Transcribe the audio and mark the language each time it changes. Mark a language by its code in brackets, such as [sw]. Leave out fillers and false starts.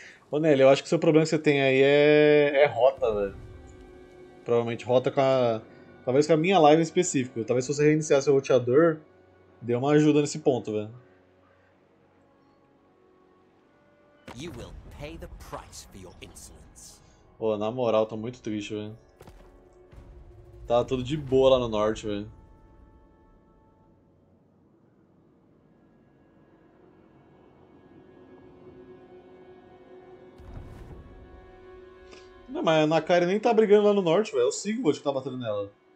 [pt] Ô Nelly, eu acho que o seu problema que você tem aí é rota, velho. Provavelmente rota com Talvez com a minha live em específico. Talvez se você reiniciasse o roteador, dê uma ajuda nesse ponto, velho. [en] You will pay the price for your insolence. [pt] Pô, na moral, tô muito triste, velho. Tá tudo de boa lá no norte, velho. Não, mas a Nakari nem tá brigando lá no norte, velho. É o Sigvold que tá batendo nela.